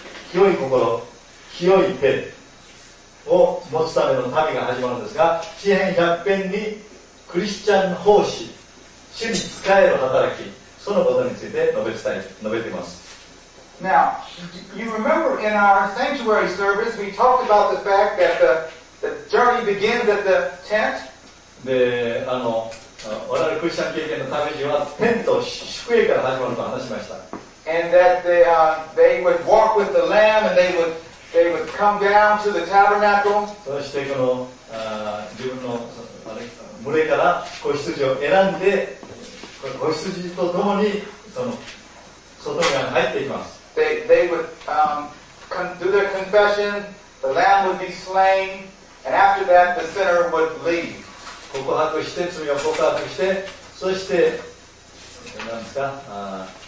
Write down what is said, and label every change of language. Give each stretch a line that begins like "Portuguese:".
Japanese: 清い心清い手を持つための旅が始まるんですが、詩編100編にクリスチャン奉仕、主に仕える働き、そのことについて述べています。
English: Now, you remember in our sanctuary service, we talked about the fact that the journey begins at the tent?
Japanese: で、我々クリスチャン経験の旅路は、テント、宿営から始まると話しました。
English: And that they would walk with the Lamb and they would come down to the tabernacle.
Japanese: そしてこの自分のあれ群れから子羊を選んで、子羊と共にその外側に入っていきます。
English: They would do their confession. The lamb would be slain, and after that, the sinner would leave.
Japanese: 告白して罪を告白して、そして何ですか？